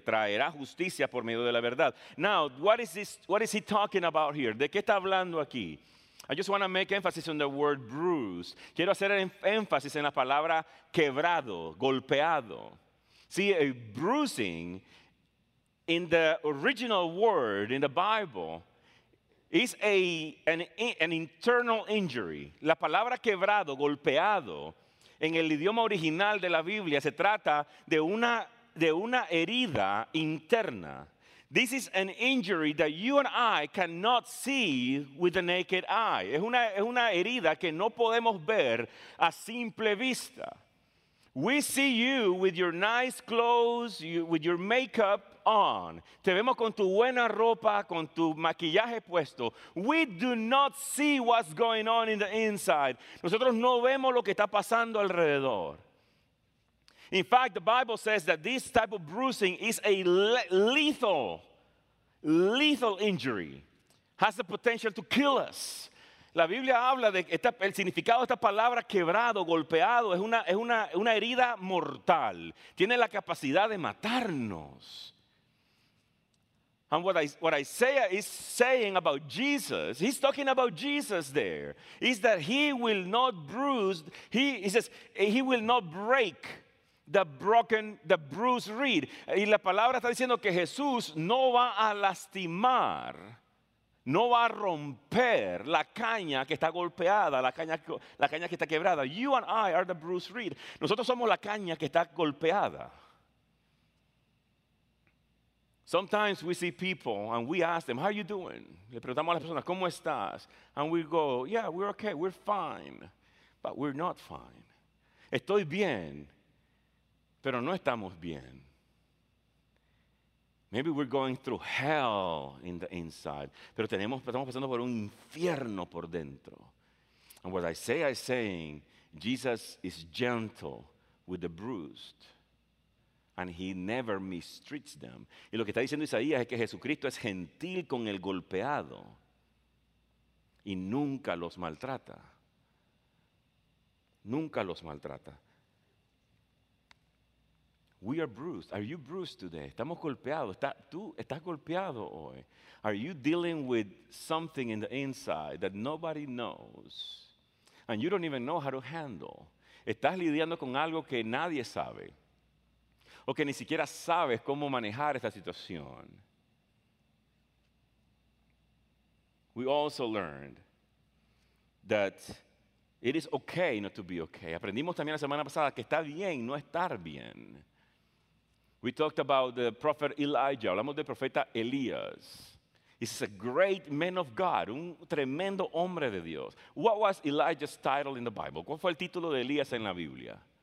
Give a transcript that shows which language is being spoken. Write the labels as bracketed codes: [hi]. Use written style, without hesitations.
[es] Traerá justicia por medio de la verdad. [en] Now, what is he talking about here? [es] ¿De qué está hablando aquí? [en] I just want to make emphasis on the word bruised. [es] Quiero hacer énfasis en la palabra quebrado, golpeado. [en] See, a bruising in the original word in the Bible is an internal injury. [es] La palabra quebrado, golpeado, en el idioma original de la Biblia se trata de una herida interna. [en] This is an injury that you and I cannot see with the naked eye. [es] Es una herida que no podemos ver a simple vista. [en] We see you with your nice clothes, with your makeup on. [es] Te vemos con tu buena ropa, con tu maquillaje puesto. [en] We do not see what's going on in the inside. [es] Nosotros no vemos lo que está pasando alrededor. [en] In fact, the Bible says that this type of bruising is a lethal injury, has the potential to kill us. [es] La Biblia habla de esta, el significado de esta palabra quebrado, golpeado, es una herida mortal. Tiene la capacidad de matarnos. [en] And what Isaiah is saying about Jesus, he's talking about Jesus there, is that he will not bruise, he says, he will not break the bruised reed. [es] Y la palabra está diciendo que Jesús no va a lastimar, no va a romper la caña que está golpeada, la caña que está quebrada. [en] You and I are the bruised reed. [es] Nosotros somos la caña que está golpeada. [en] Sometimes we see people and we ask them, how are you doing? [es] Le preguntamos a las personas, ¿cómo estás? [en] And we go, yeah, we're okay, we're fine. But we're not fine. [es] Estoy bien, pero no estamos bien. [en] Maybe we're going through hell in the inside, [es] pero estamos pasando por un infierno por dentro. [en] And what Isaiah is saying, Jesus is gentle with the bruised, and he never mistreats them. [es] Y lo que está diciendo Isaías es que Jesucristo es gentil con el golpeado y nunca los maltrata. Nunca los maltrata. [en] We are bruised. Are you bruised today? [es] Estamos golpeados. Tú estás golpeado hoy. [en] Are you dealing with something in the inside that nobody knows? And you don't even know how to handle. [es] Estás lidiando con algo que nadie sabe. O que ni siquiera sabes cómo manejar esta situación. [en] We also learned that it is okay not to be okay. [es] Aprendimos también la semana pasada que está bien no estar bien. [en] We talked about the prophet Elijah. [es] Hablamos del profeta Elías. [en] He's a great man of God, [es] un tremendo hombre de Dios. [en] What was Elijah's title in the Bible? [es] ¿Cuál fue el título de Elías en la Biblia?